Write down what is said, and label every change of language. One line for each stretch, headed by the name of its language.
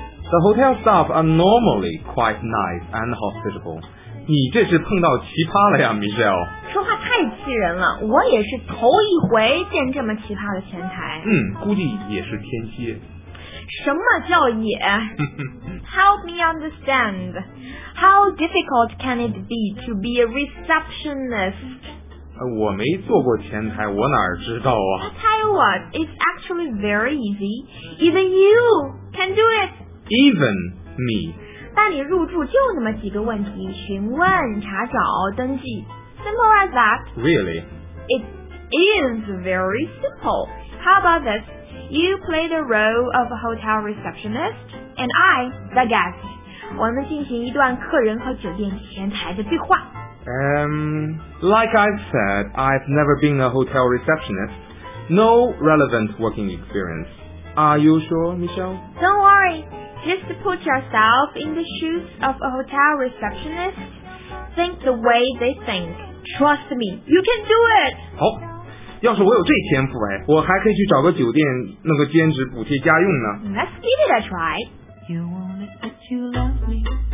English: The hotel staff are normally quite nice and hospitable.
Chinese: 你这是碰到奇葩了呀 Michelle。说话太气人了，我也是头一回见这么奇葩的前台。估计也是天蝎。什么叫也？
English: Help me understand. How difficult can it be to be a receptionist?
Chinese: 我没做过前台，我哪知道啊。
English: I tell you what, it's actually very easy. Even you can do it Even me.
Chinese: 办理入住就那么几个问题，询问、查找、登记。
English: Simple as that. Really? It is very simple. How about this? You play the role of a hotel receptionist, and I, the guest.
Chinese: 我们进行一段客人和酒店前台的对话。
English: Like I said, I've never been a hotel receptionist. No relevant working experience. Are you sure, Michelle? Don't worry. Just put yourself in the shoes of a hotel receptionist. Think the way they think. Trust me, you can do it.
Chinese: 好，要是我有这天赋，我还可以去找个酒店弄个兼职补贴家用呢。
English: Let's give it a try. You want it, but you love me.